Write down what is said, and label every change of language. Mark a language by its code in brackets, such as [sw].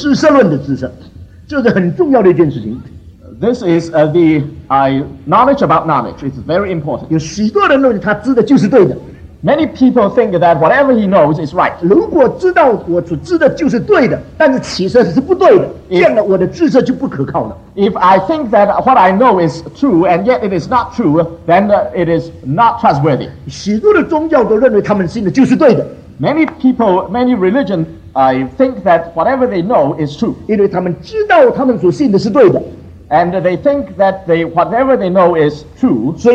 [zh] 知识的性质、知识的范围、知识的来源，那么对知识的知识叫做知识论的知识，这是很重要的一件事情。 [en] This is the knowledge about knowledge. It's very important. [zh] 有许多人认为他知的就是对的。 [en] Many people think that whatever he knows is right. [zh] 如果知道我所知的就是对的，但是其实是不对的，这样的我的知识就不可靠了。 [en] If I think that what I know is true and yet it is not true, then it is not trustworthy. [zh] 许多的宗教都认为他们信的就是对的。 [en] Many people, many religion, I think that whatever they know is true. [zh] 因为他们知道他们所信的是对的。 [en] And they think that whatever they know is true.